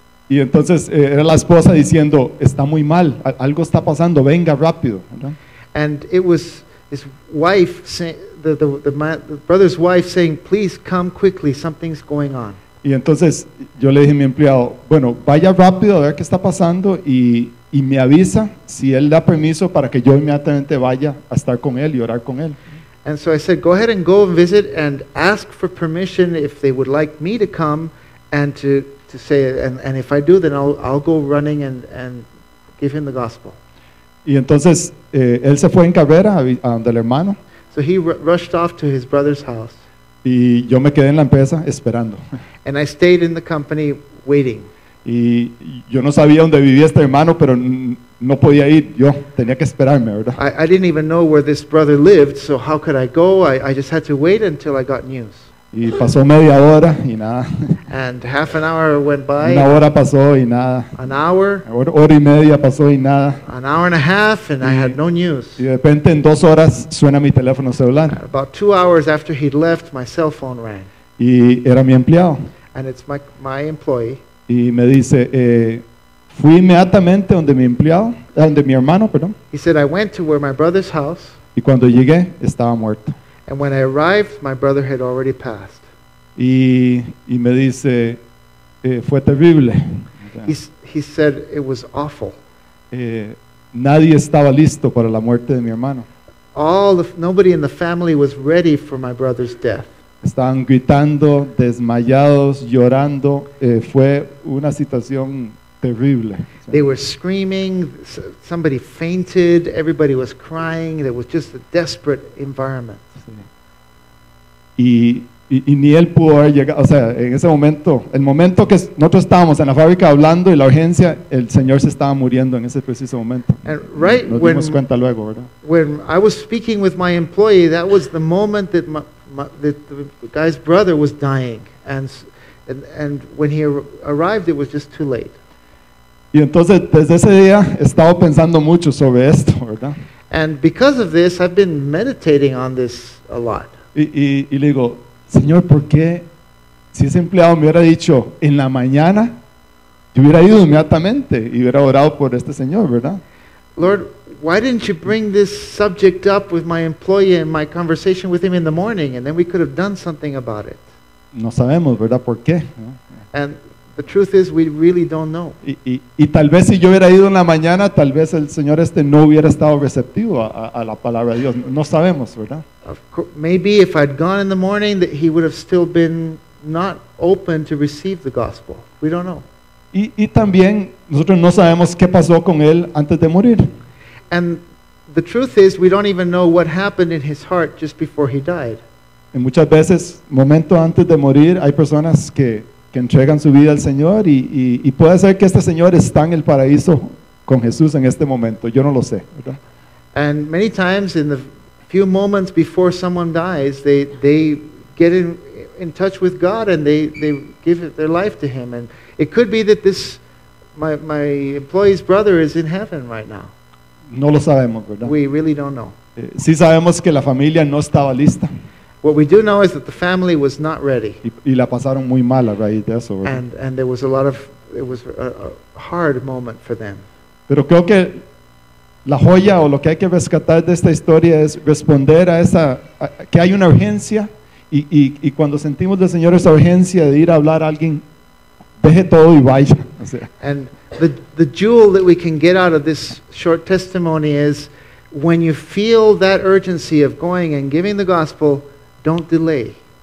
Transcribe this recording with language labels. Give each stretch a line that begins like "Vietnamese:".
Spanish: Y entonces era la esposa diciendo, "Está muy mal, algo está pasando, venga rápido."
English: And it was his wife, the brother's wife saying, "Please come quickly, something's going on."
Spanish: Y entonces yo le dije a mi empleado, "Bueno, vaya rápido a ver qué está pasando y me avisa si él da permiso para que yo inmediatamente vaya a estar con él y orar con él."
English: And so I said, "Go ahead and go and visit and ask for permission if they would like me to come and to say it. And if I do, then I'll go running and give him the gospel."
Spanish: Y entonces él se fue en carrera a donde el hermano.
English: So he rushed off to his brother's house.
Spanish: Y yo me quedé en la empresa esperando.
English: And I stayed in the company waiting.
Spanish: Y yo no sabía dónde vivía este hermano, pero no podía ir. Yo tenía que esperarme, ¿verdad?
English: I didn't even know where this brother lived, so how could I go? I just had to wait until I got news.
Spanish: Y pasó media hora y nada.
English: And half an hour went by.
Spanish: Una hora pasó y nada.
English: An hour.
Spanish: Hora y media pasó y nada.
English: An hour and a half and I had no news.
Spanish: Y de repente en 2 horas suena mi teléfono celular.
English: About 2 hours after he'd left, my cell phone rang.
Spanish: Y era mi empleado.
English: And it's my employee.
Spanish: Y me dice, fui inmediatamente donde mi empleado, donde mi hermano, perdón.
English: He said, "I went to where my brother's house."
Spanish: Y cuando llegué, estaba muerto.
English: And when I arrived, my brother had already passed.
Spanish: Y me dice, fue terrible.
English: He said, "It was awful."
Spanish: Nadie estaba listo para la muerte de mi hermano.
English: Nobody in the family was ready for my brother's death.
Spanish: Estaban gritando, desmayados, llorando. Fue una situación terrible.
English: They were screaming. Somebody fainted. Everybody was crying. It was just a desperate environment. Sí.
Spanish: y ni él pudo haber llegado, o sea, en ese momento, el momento que nosotros estábamos en la fábrica hablando y la urgencia, el Señor se estaba muriendo en ese preciso momento.
English: And right
Spanish: nos
English: when,
Spanish: dimos cuenta luego, ¿verdad?
English: When I was speaking with my employee, that was the moment that that the guy's brother was dying, and when he arrived, it was just too late.
Spanish: Y entonces desde ese día he estado pensando mucho sobre esto, ¿verdad?
English: And because of this, I've been meditating on this a lot.
Spanish: Y le digo, Señor, ¿por qué si ese empleado me hubiera dicho en la mañana, yo hubiera ido inmediatamente y hubiera orado por este señor, ¿verdad?
English: Lord, why didn't you bring this subject up with my employee and my conversation with him in the morning, and then we could have done something about it?
Spanish: No sabemos, ¿verdad? ¿Por qué?
English: And the truth is, we really don't know.
Spanish: Y tal vez si yo hubiera ido en la mañana, tal vez el señor este no hubiera estado receptivo a la palabra de Dios. No sabemos, ¿verdad?
English: Of course, maybe if I'd gone in the morning, that he would have still been not open to receive the gospel. We don't know.
Spanish: Y también nosotros no sabemos qué pasó con él antes de morir.
English: And the truth is, we don't even know what happened in his heart just before he died.
Spanish: Y muchas veces, momento antes de morir, hay personas que entregan su vida al Señor y puede ser que este Señor está en el paraíso con Jesús en este momento. Yo no lo sé, ¿verdad?
English: And many times in the few moments before someone dies, they get in touch with God and they give their life to Him. And it could be that this my employee's brother is in heaven right now.
Spanish: No lo sabemos, ¿verdad?
English: We really don't know.
Spanish: Sí sabemos que la familia no estaba lista.
English: What we do know is that the family was not ready.
Spanish: Y la pasaron muy mal a raíz de eso, ¿verdad?
English: And there was a lot of, it was a hard moment for them.
Spanish: Pero creo que la joya o lo que hay que rescatar de esta historia es responder a esa, que hay una urgencia y cuando sentimos del Señor esa urgencia de ir a hablar a alguien, deje todo y vaya. O sea.
English: And the jewel that we can get out of this short testimony is when you feel that urgency of going and giving the gospel, don't delay.